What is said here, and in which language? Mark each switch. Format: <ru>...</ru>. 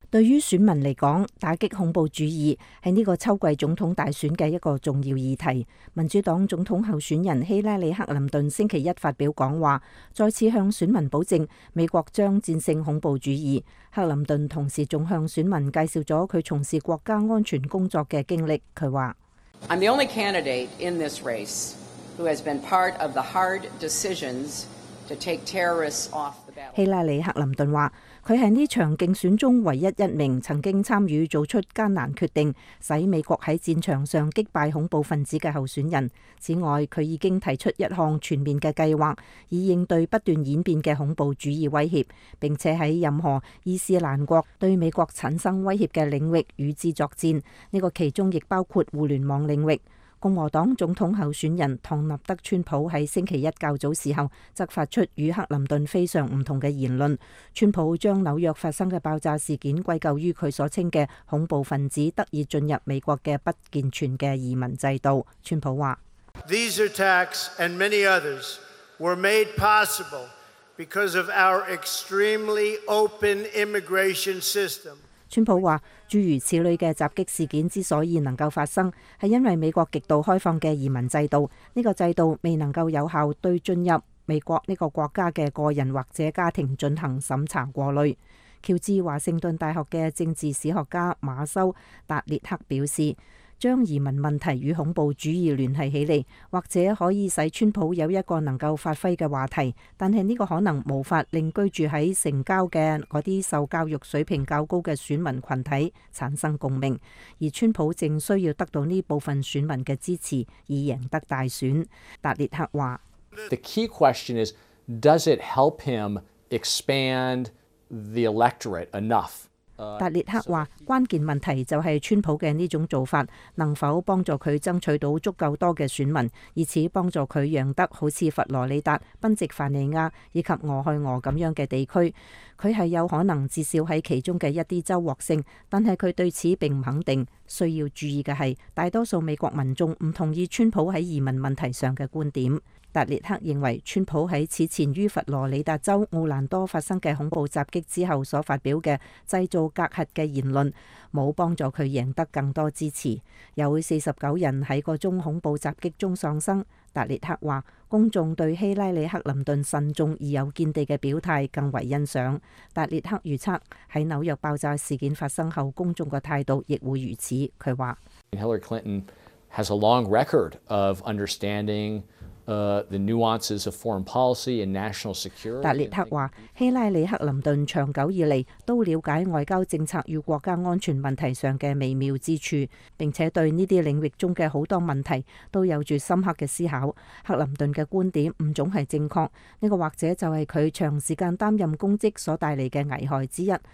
<zh>对于选民来讲，打击恐怖主义是这个秋季总统大选的一个重要议题。民主党总统候选人希拉里·克林顿星期一发表讲话，再次向选民保证美国将战胜恐怖主义。克林顿同时还向选民介绍了他从事国家安全工作的经历。他说</zh> <en>I'm the only candidate in this race who has been part of the hard decisions to take terrorists off.</en> <zh>希拉里·克林顿说，他是这场竞选中唯一一名曾经参与做出艰难决定，使美国在战场上击败恐怖分子的候选人。此外，他已经提出一项全面的计划，以应对不断演变的恐怖主义威胁，并且在任何伊斯兰国对美国产生威胁的领域与之作战，这个其中亦包括互联网领域。共和党总统候选人唐纳德·川普在星期一较早时候则发出与克林顿非常不同的言论。川普将纽约发生的爆炸事件归咎于他所称的恐怖分子得以进入美国的不健全的移民制度。川普说</zh> <en>These attacks and many others were made possible because of our extremely open immigration system.</en> <zh>川普说，诸如此类的袭击事件之所以能够发生，是因为美国极度开放的移民制度。这个制度未能够有效对进入美国这个国家的个人或者家庭进行审查过滤。乔治华盛顿大学的政治史学家马修·达列克表示，将移民问题与恐怖主义联系起来，或者可以使川普有一个能够发挥的话题，但是这个可能无法令居住在城郊的那些受教育水平较高的选民群体产生共鸣，而川普正需要得到这部分选民的支持以赢得大选。达列克说</zh> <en>The key question is, does it help him expand the electorate enough?</en> <zh>达列克说，关键问题就是川普的这种做法能否帮助他争取到足够多的选民，以此帮助他赢得好像佛罗里达、宾夕凡尼亚以及俄亥俄这样的地区。他是有可能至少在其中的一些州获胜，但是他对此并不肯定。需要注意的是，大多数美国民众不同意川普在移民问题上的观点。达列克认为，川普在此前于佛罗里达州奥兰多发生的恐怖袭击之后所发表的制造隔阂的言论，没有帮助他赢得更多支持。有49人在那宗恐怖袭击中丧生。达列克说，公众对希拉里·克林顿慎重而有见地的表态更为欣赏。达列克预测，在纽约爆炸事件发生后，公众的态度亦会如此。他说</zh> <en>，Hillary Clinton has a long record of understanding. The nuances of foreign policy and national security.</en> <zh>达列克说，希拉里·克林顿长久以来都了解外交政策与国家安全问题上的微妙之处，并且对这些领域中的很多问题都有着深刻的思考。克林顿的观点不总是正确，这个或者就是他长时间担任公职所带来的危害之一。</zh>